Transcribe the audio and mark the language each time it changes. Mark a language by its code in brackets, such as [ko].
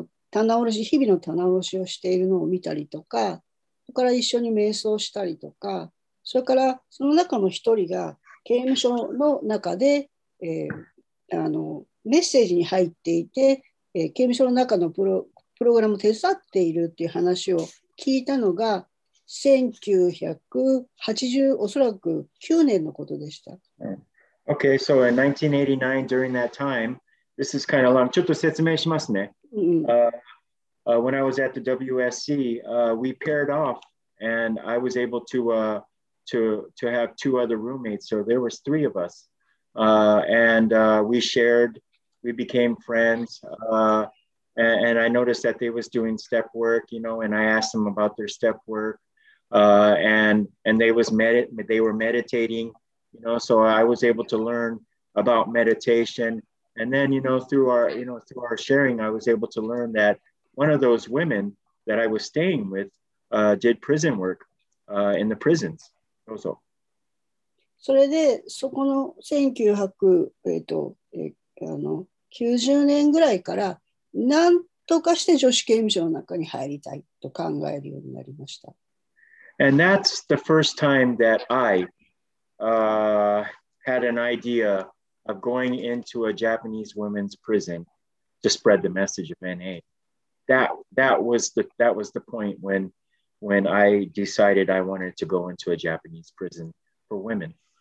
[ja] 棚卸し、日々の棚卸しをしているのを見たりとか、そこから一緒に瞑想したりとか、それからその中の一人が刑務所の中で、メッセージに入っていて、刑務所の中のプログラムを手伝っているっていう話を聞いたのが1980、おそらく9年のことでした。 [en] Okay, so in 1989, during that time, this is kind of long. [ja] ちょっと説明しますね。 [en] When I was at the WSC, we paired off, and I was able to have two other roommates. So there was three of us, and we shared we became friends. And I noticed that they was doing step work, you know, and I asked them about their step work. And they was meditating, you know, so I was able to learn about meditation. And then, you know, through our sharing, I was able to learn that one of those women that I was staying with did prison work in the prisons. So. [ja] それでそこの1990年ぐらいからなんとかして女子刑務所の中に入りたいと考えるようになりました。 [en] And that's the first time that I had an idea of going into a Japanese women's prison to spread the message of NA. That was the point when I decided I wanted to go into a Japanese prison for women.